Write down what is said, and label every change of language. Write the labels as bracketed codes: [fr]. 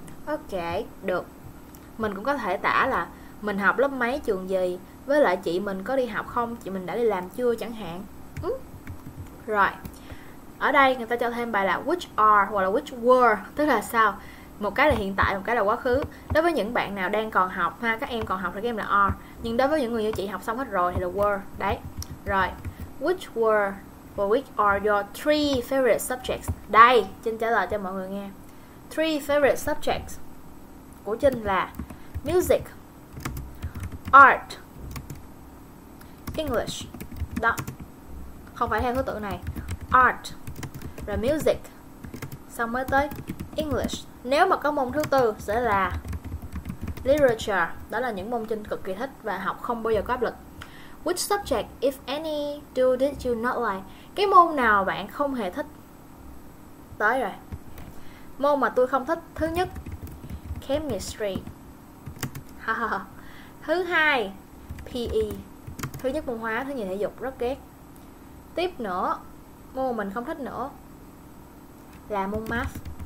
[vi] Ok, được. Mình cũng có thể tả là mình học lớp mấy, trường gì, với lại chị mình có đi học không, chị mình đã đi làm chưa chẳng hạn. Rồi, ở đây người ta cho thêm bài là [en] which are [vi] hoặc là [en] which were, [vi] tức là sao? Một cái là hiện tại, một cái là quá khứ. Đối với những bạn nào đang còn học ha, các em còn học thì các em là are. Nhưng đối với những người như chị học xong hết rồi thì là were. Đấy. [en] Rồi, which were or which are your three favorite subjects? [vi] Đây, Trinh trả lời cho mọi người nghe. [en] Three favorite subjects [vi] của Trinh là music, art, English. Đó, không phải theo thứ tự này. Art, rồi music, xong mới tới English. Nếu mà có môn thứ tư sẽ là literature. Đó là những môn Trinh cực kỳ thích và học không bao giờ có áp lực. [en] Which subject, if any, do did you not like? [vi] Cái môn nào bạn không hề thích? Tới rồi. Môn mà tôi không thích, thứ nhất chemistry. Thứ hai PE. Thứ nhất môn hóa, thứ nhì thể dục, rất ghét. Tiếp nữa, môn mình không thích nữa là môn math.